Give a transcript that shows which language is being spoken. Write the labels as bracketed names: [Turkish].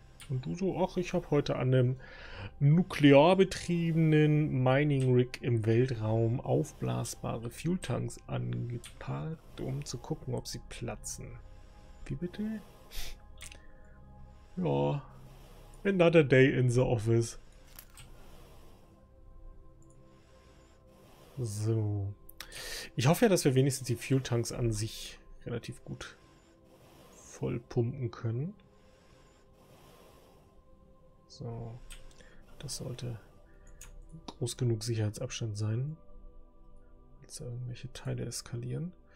[German] Und du so, ach, ich habe heute an einem nuklearbetriebenen Mining Rig im Weltraum aufblasbare Fuel Tanks angeparkt, um zu gucken, ob sie platzen. Wie bitte? [English] Ja, another day in the office. So. [German] Ich hoffe ja, dass wir wenigstens die Fuel-Tanks an sich relativ gut voll pumpen können. So. Das sollte groß genug Sicherheitsabstand sein, falls irgendwelche Teile eskalieren.